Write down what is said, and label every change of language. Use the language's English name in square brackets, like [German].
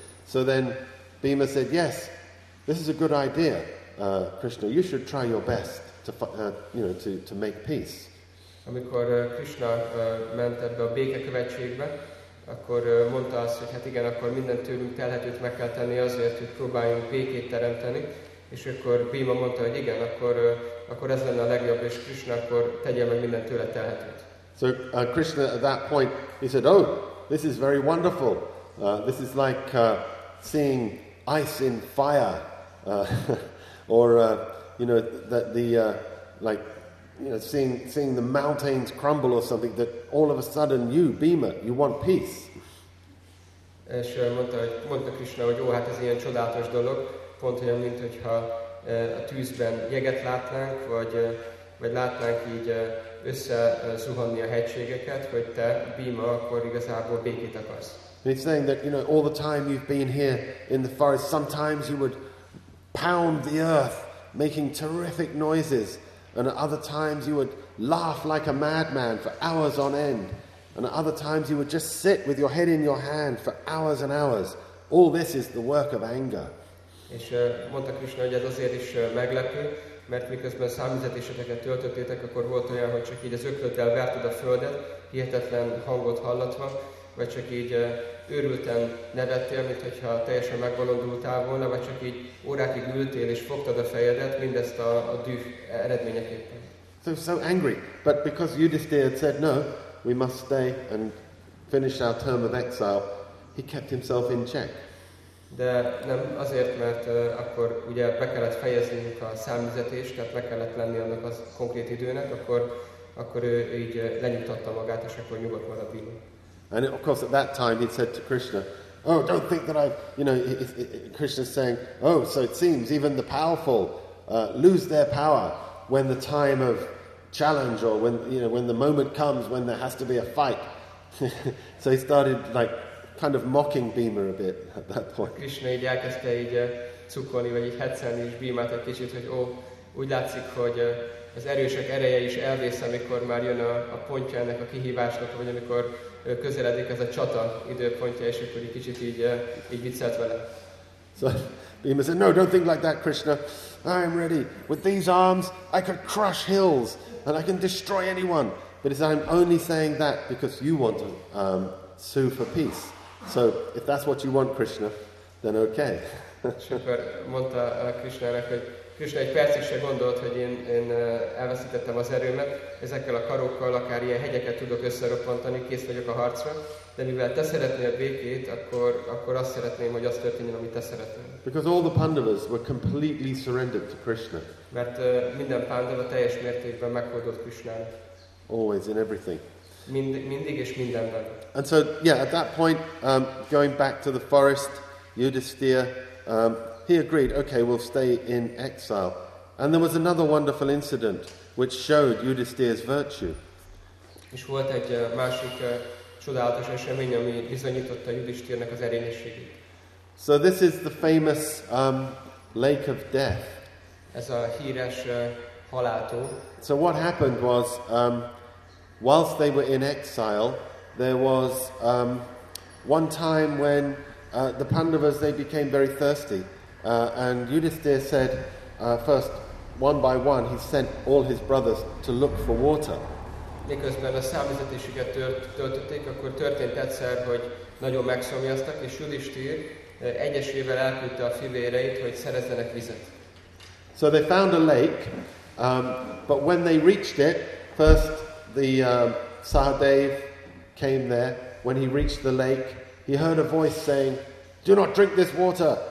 [English] So then Bhima said, yes, this is a good idea. Krishna, you should try your best to, you know, to make peace. [Hungarian] Amikor Krishna ment ebbe a békekövetségbe, akkor mondta azt, hogy hát igen, akkor minden tőlünk telhetőt meg kell tenni azért, hogy próbáljunk békét teremteni. És akkor Bhima mondta, hogy igen, akkor ez lenne a legjobb, és Krishna, akkor tegyél meg minden tőle telhetőt. [English] So Krishna at that point, he said, oh, this is very wonderful. This is like seeing ice in fire. Or you know, that the like, you know, seeing the mountains crumble or something, that all of a sudden you, Bhima, you want peace. [Hungarian] És mondta Krishna, hogy ó, hát ez ilyen csodálatos dolog, pont olyan, mint hogyha a tűzben jeget látnánk, vagy látnánk így összezuhanni a hegységeket, hogy te, Bhima, akkor igazából békét akarsz. [English] He's saying that, you know, all the time you've been here in the forest, sometimes you would pound the earth, making terrific noises, and at other times you would laugh like a madman for hours on end, and at other times you would just sit with your head in your hand for hours and hours. All this is the work of anger. [Hungarian] És mondta Krishna, hogy ez azért is meglepő, mert miközben számüzetéseket töltöttétek, akkor volt olyan, hogy csak így az ökölöttel verted a földet, hihetetlen hangot hallatva, vagy csak így őrülten nevettél, mintha teljesen megbolondultál volna, vagy csak így órákig ültél és fogtad a fejedet, mindezt a düh eredményeképpen. [English] So angry, but because Yudhisthira had said no, we must stay and finish our term of exile, he kept himself in check. [Hungarian] De nem azért, mert akkor ugye be kellett fejeznünk a számüzetést, tehát meg kellett lenni annak a konkrét időnek, akkor ő így lenyugtatta magát, és akkor nyugodt maradt Bhima. [English] And of course, at that time, he said to Krishna, oh, don't think that I've, you know, Krishna's saying, oh, so it seems even the powerful lose their power when the time of challenge, or when, you know, when the moment comes when there has to be a fight. So he started, like, kind of mocking Bhima a bit at that point. [Hungarian] Krishna így elkezdte így cukolni, vagy így hetszelni is Bhimát egy kicsit, hogy ó, úgy látszik, hogy az erősek ereje is elvész, amikor már jön a pontja ennek a kihívásnak, vagy amikor közeledik ez a csata időpontja, és akkor egy kicsit így viccelt vele. [English] So Bhima said, no, don't think like that, Krishna. I am ready. With these arms, I can crush hills, and I can destroy anyone. But I'm only saying that because you want to sue for peace. So if that's what you want, Krishna, then okay. [Hungarian] És akkor mondta Krishna-nek, hogy Krisna egy percig se gondolt, hogy én elveszítettem az erőmet, ezekkel a karokkal akár ilyen hegyeket tudok összeroppantani, kész vagyok a harcra, de mivel te szeretnél békét, akkor azt szeretném, hogy az történjen, amit te szeretnél. [English] Because all the Pandavas were completely surrendered to Krishna. [Hungarian] Mert minden Pandava teljes mértékben meghódott Krishnának. [English] Always in everything. [Hungarian] Mindig és mindenben. [English] And so, at that point, going back to the forest, Yudhisthira, he agreed, okay, we'll stay in exile. And there was another wonderful incident which showed Yudhisthira's virtue. [Hungarian] És volt egy másik csodálatos esemény, ami bizonyította Yudhisthirának az erényességét. [English] So this is the famous lake of death. [Hungarian] Ez a híres haláltó. [English] So what happened was, whilst they were in exile, there was one time when the Pandavas, they became very thirsty. And Yudhisthira said, first, one by one, he sent all his brothers to look for water. [Hungarian] Miközben a számvizetésüket töltötték, akkor történt egyszer, hogy nagyon megszomjaztak, és Yudhisthira egyesével elküldte a fivéreit, hogy szerezzenek vizet. [English] So they found a lake, but when they reached it, first the Sahadev came there. When he reached the lake, he heard a voice saying, "Do not drink this water.